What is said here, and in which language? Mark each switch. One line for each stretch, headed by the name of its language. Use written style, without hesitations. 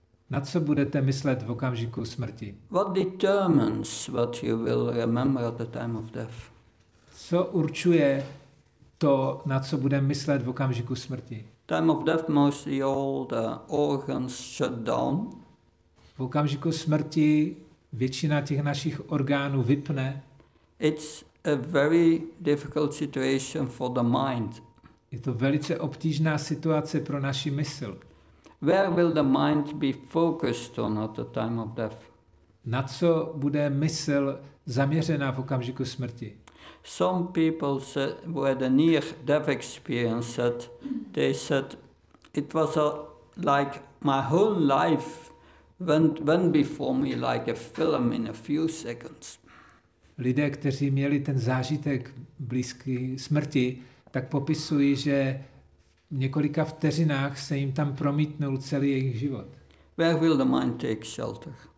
Czech: Na co budete myslet v okamžiku smrti?
English: What determines what you will remember at the time of death?
Czech: Co určuje to, na co budeme myslet v okamžiku smrti?
English: Time of death, mostly all the organs shut down.
Czech: V okamžiku smrti většina těch našich orgánů vypne.
English: It's a very difficult situation for the mind.
Czech: Je to velice obtížná situace pro naši mysl.
English: Where will the mind be focused on at the time of death?
Czech: Na co bude mysl zaměřená v okamžiku smrti?
English: Some people said, who had a near-death experience, said, they said, it was like my whole life went before me like a film in a few seconds.
Czech: Lidé, kteří měli ten zážitek blízký smrti, tak popisují, že v několika vteřinách se jim tam promítnul celý jejich život.
English: Where will the mind take shelter?